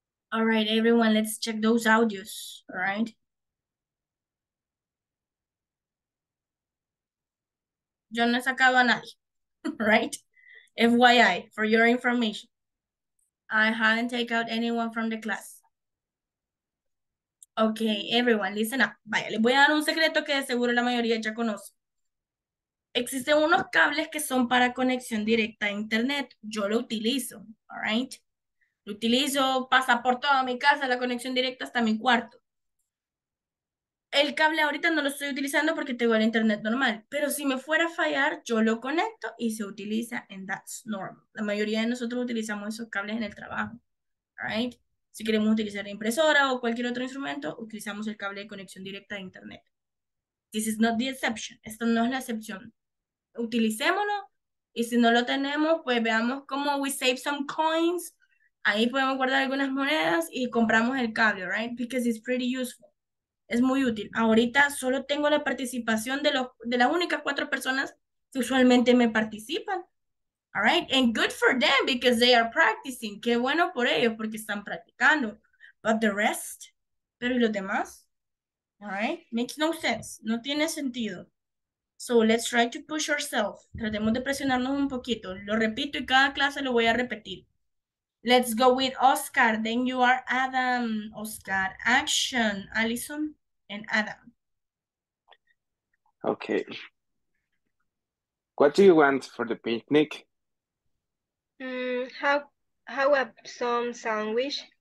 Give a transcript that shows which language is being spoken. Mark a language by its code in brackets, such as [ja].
[en] All right, everyone, let's check those audios, all right? [es] Yo no he sacado a nadie, right? [en] FYI, for your information. I haven't taken out anyone from the class. Okay, everyone, listen up. [es] Vaya, les voy a dar un secreto que de seguro la mayoría ya conoce. Existen unos cables que son para conexión directa a internet. Yo lo utilizo, [en] all right? [es] Lo utilizo, pasa por toda mi casa, la conexión directa hasta mi cuarto. El cable ahorita no lo estoy utilizando porque tengo el internet normal. Pero si me fuera a fallar, yo lo conecto y se utiliza, [en] and that's normal. [es] La mayoría de nosotros utilizamos esos cables en el trabajo. Right? Si queremos utilizar la impresora o cualquier otro instrumento, utilizamos el cable de conexión directa de internet. [en] This is not the exception. [es] Esta no es la excepción. Utilicémoslo y si no lo tenemos, pues veamos cómo [en] we save some coins. [es] Ahí podemos guardar algunas monedas y compramos el cable, right? [en] Because it's pretty useful. [es] Es muy útil. Ahorita solo tengo la participación de las únicas cuatro personas que usualmente me participan. [en] All right? And good for them because they are practicing. [es] Qué bueno por ellos porque están practicando. [en] But the rest, [es] pero ¿y los demás? [en] All right? Makes no sense. [es] No tiene sentido. [en] So let's try to push ourselves. [es] Tratemos de presionarnos un poquito. Lo repito y cada clase lo voy a repetir. [en] Let's go with Oscar, then you are Adam. Oscar, action, Allison, and Adam. Okay. What do you want for the picnic? How about some sandwich?